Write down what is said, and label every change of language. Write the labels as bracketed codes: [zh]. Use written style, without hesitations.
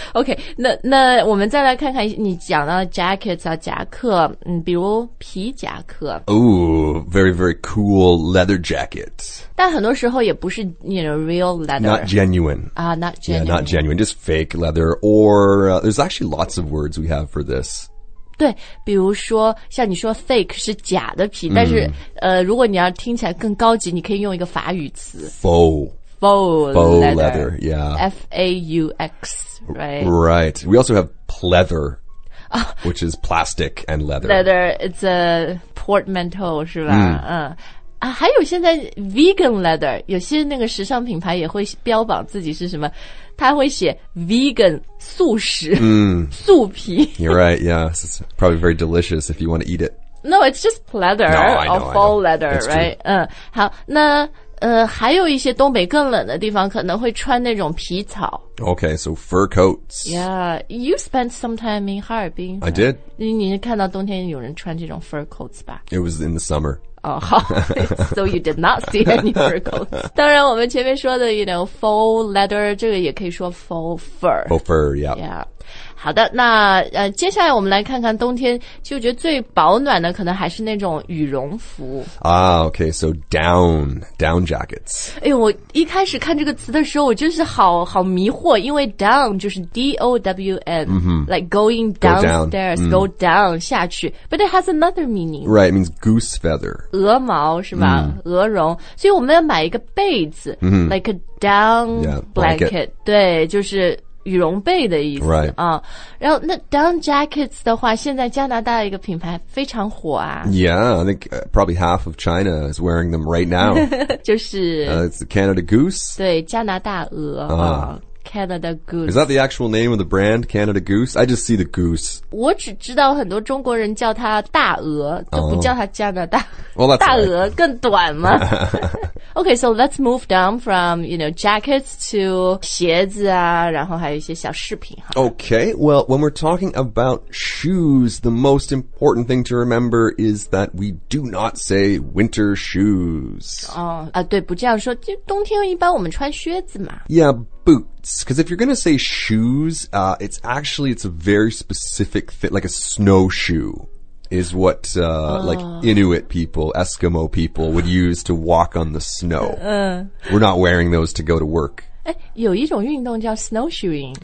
[zh] OK, 那我们再来看看你讲到 jackets 啊夹克嗯比如皮夹克。 [en] Oh, very, very cool leather jacket. [zh] 但很多时候也不是 [en] you know, real leather. Not genuine. Ah, not genuine. Yeah, not genuine. Just fake leather. Or,、there's actually lots of words we have for this. [zh] 对比如说像你说 fake 是假的皮、mm. 但是、如果你要听起来更高级你可以用一个法语词 [en] Faux leather yeah. F-A-U-X right? Right We also have pleather、which is plastic and leather Leather It's a portmanteau [zh] 是吧、 [en] mm. [zh] 啊，还有现在 vegan leather 有些那个时尚品牌也会标榜自己是什么他会写 vegan 素食、 mm. 素皮 [en] You're right, yes It's probably very delicious if you want to eat it No, it's just pleather No, I know, Or faux leather, That's right、 true. [zh] 嗯，好那还有一些东北更冷的地方可能会穿那种皮草 [en] Okay, so fur coats Yeah, you spent some time in Harbin、right? I did [zh] 你看到冬天有人穿这种 fur coats 吧 [en] It was in the summer Oh, so you did not see any fur coats [zh] 当然我们前面说的 [en] You know, faux leather [zh] 这个也可以说 [en] faux fur Faux fur, yeah, yeah. [zh] 好的那接下来我们来看看冬天就觉得最保暖的可能还是那种羽绒服 [en] Ah, okay, so down jackets [zh] 哎呦，我一开始看这个词的时候我就是好迷惑因为 down 就是 D-O-W-N、 mm-hmm. [en] Like going downstairs go down,、 mm. go down [zh] 下去 [en] But it has another meaning Right, it means goose feather [zh] 鹅毛是吧、mm. 鹅绒所以我们要买一个被子、 mm-hmm. [en] Like a down yeah, [zh] blanket 对就是羽绒被的意思、 [en] right. [zh] 啊，然后那 down jackets 的话，现在加拿大一个品牌非常火啊。 [en] Yeah, I think probably half of China is wearing them right now. [zh] 就是、 [en] it's Canada Goose. [zh] 对，加拿大鹅、啊。 [en] Canada Goose. Is that the actual name of the brand, Canada Goose? I just see the goose. [zh] 我只知道很多中国人叫它大鹅，都不叫它加拿大。 [en] Well, that's [zh] 大鹅更短嘛。 [en] Okay, so let's move down from, you know, jackets to [zh] 鞋子啊然后还有一些小饰品。 [en] Okay, well, when we're talking about shoes, the most important thing to remember is that we do not say winter shoes. [zh] 哦、对不这样说就冬天一般我们穿靴子嘛。 [en] Yeah, boots. Because if you're going to say shoes, it's actually, it's a very specific fit, like a snow shoe. Is what, like, Inuit people, Eskimo people would use to walk on the snow. We're not wearing those to go to work. [zh] 哎，有一种运动叫 snowshoeing.